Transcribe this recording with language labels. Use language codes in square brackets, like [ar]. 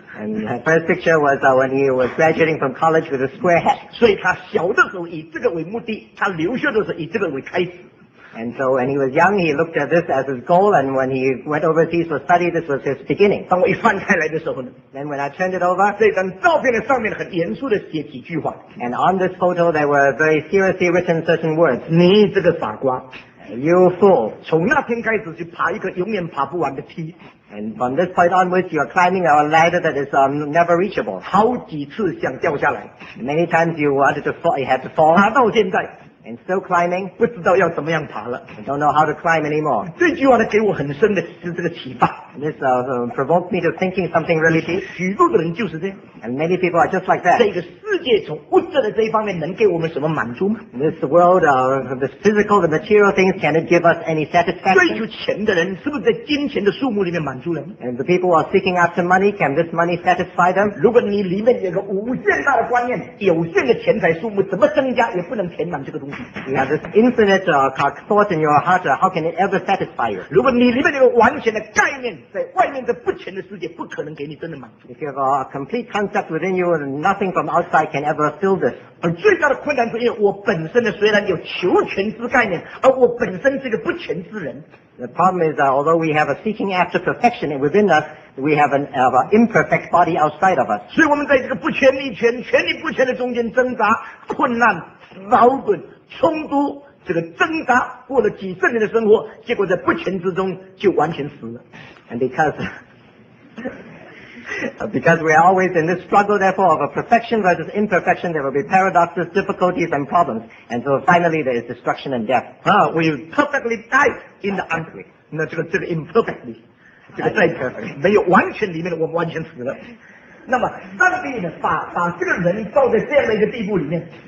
[en] and the first picture was when he was graduating from college with a square hat. [zh] 所以他小的时候以这个为目的，他留学的时候以这个为开始。 [en] And so when he was young, he looked at this as his goal, and when he went overseas for study, this was his beginning. Then when I turned it over, and on this photo, there were very seriously written certain words. [zh] 你这个傻瓜, [en] you fool. [zh] 从那天开始去爬一个永远爬不完的梯, [en] and from this point onwards, you are climbing a ladder that is never reachable. [zh] 好几次想掉下来, [en] many times you wanted to fall, you had to fall. [zh] 爬到现在, [en] and still climbing, [zh] 不知道要怎么样爬了, [en] don't know how to climb anymore. [zh] 这句话呢给我很深的这个启发, [en] this provoked me to thinking something really deep. [zh] 许多的人就是这样, [en] and many people are just like that. [zh] 这个世界从物质的这一方面能给我们什么满足吗? [en] This world, this physical, the material things, can it give us any satisfaction? [zh] 追求钱的人是不是在金钱的数目里面满足人? [en] And the people who are seeking after money, can this money satisfy them? [zh] 如果你里面有个无限大的观念, 有限的钱财数目, 怎么增加也不能填满这个东西。 [en] You have this infinite thought in your heart, how can it ever satisfy you? [zh] 如果你里面有完全的概念, 在外面的不全的世界不可能给你真的满足。 [en] If you have a complete concept within you, nothing from outside can ever fill this. [zh] 而最大的困难是因为我本身的虽然有求全之概念, 而我本身是个不全之人。 [en] The problem is that although we have a seeking after perfection within us, we have an imperfect body outside of us. [zh] 所以我们在这个不全力全全力不全的中间挣扎困难, 矛盾冲突这个挣扎过了几十年的生活，结果在不全之中就完全死了。And [en] because we are always in this struggle, therefore, of a perfection versus imperfection, there will be paradoxes, difficulties, and problems, and so finally there is destruction and death. We perfectly died in the unperfect. [zh] 那这个 imperfectly, 这个在没有完全里面的我们完全死了。那么上帝呢，把这个人造在这样的一个地步里面。